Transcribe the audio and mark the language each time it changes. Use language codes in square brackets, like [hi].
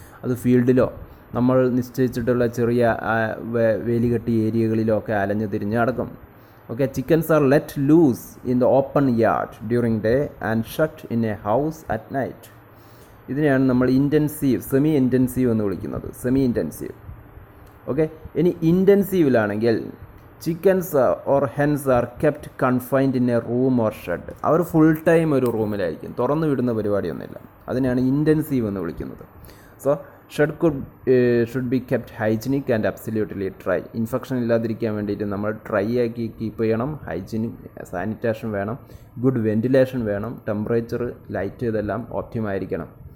[ml] അത് ഫീൽഡിലോ നമ്മൾ നിശ്ചയിച്ചിട്ടുള്ള ചെറിയ വേലികെട്ടി ഏരിയകളിലോ ഒക്കെ അലഞ്ഞു തിരിഞ്ഞ് നടക്കും. [en] Okay, chickens are let loose in the open yard during day and shut in a house at night. [ml] ഇതിനെയാണ് നമ്മൾ ഇൻറ്റൻസീവ്, സെമി ഇൻറ്റൻസീവ് എന്ന് വിളിക്കുന്നത്. Semi intensive. [en] okay, [ml] ഇനി ഇൻറ്റൻസീവിലാണെങ്കിൽ [en] chickens or hens are kept confined in a room or shed. [ml] Our full time ഒരു റൂമിലായിരിക്കും, തുറന്നു വിടുന്ന പരിപാടിയൊന്നുമില്ല. അതിനാണ് ഇൻറ്റൻസീവ് എന്ന് വിളിക്കുന്നത്. [en] So shed should be kept hygienic and absolutely dry. [ml] Infection ഇല്ലാതിരിക്കാൻ വേണ്ടിയിട്ട് നമ്മൾ ഡ്രൈ ആക്കി കീപ്പ് ചെയ്യണം. ഹൈജീനിക് സാനിറ്റേഷൻ വേണം, ഗുഡ് വെൻറ്റിലേഷൻ വേണം, ടെമ്പറേച്ചർ ലൈറ്റ് ഇതെല്ലാം ഓപ്റ്റിമായിരിക്കണം.